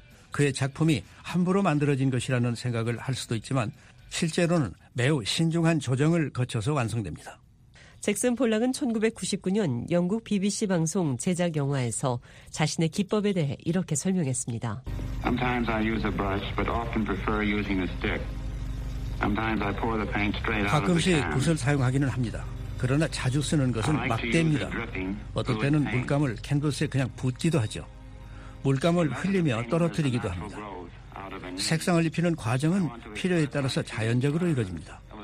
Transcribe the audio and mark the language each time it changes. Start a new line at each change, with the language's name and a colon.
Korean: 그의 작품이 함부로 만들어진 것이라는 생각을 할 수도 있지만 실제로는 매우 신중한 조정을 거쳐서 완성됩니다. 잭슨 폴락은 1999년 영국 BBC 방송 제작 영화에서 자신의 기법에 대해 이렇게 설명했습니다.
English: Sometimes I use a brush, but often prefer using a stick. Sometimes I pour the paint straight out of the can.
Korean: 가끔씩 붓을 사용하기는 합니다. 그러나 자주 쓰는 것은 막대입니다. 어떨 때는 물감을 캔버스에 그냥 붓기도 하죠. 물감을 흘리며 떨어뜨리기도 합니다. 색상을 입히는 과정은 필요에 따라서 자연적으로 이루어집니다.